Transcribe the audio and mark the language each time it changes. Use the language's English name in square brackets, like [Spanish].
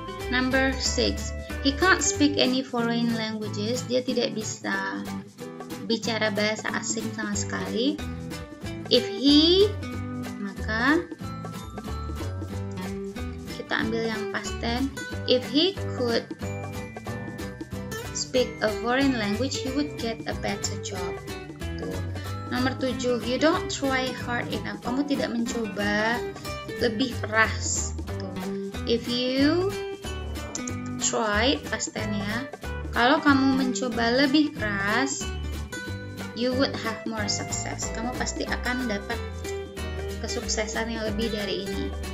[English] Number 6, he can't speak any foreign languages. [Indonesian] Dia tidak bisa bicara bahasa asing sama sekali. [English] If he, [Indonesian] maka kita ambil yang pasti. [English] If he could speak a foreign language, he would get a better job. Nomor 7, you don't try hard enough. [Indonesian] Kamu tidak mencoba lebih keras. [English] If you try, [Indonesian] pastinya, kalau kamu mencoba lebih keras, [English] you would have more success. [Indonesian] Kamu pasti akan dapat kesuksesan yang lebih dari ini.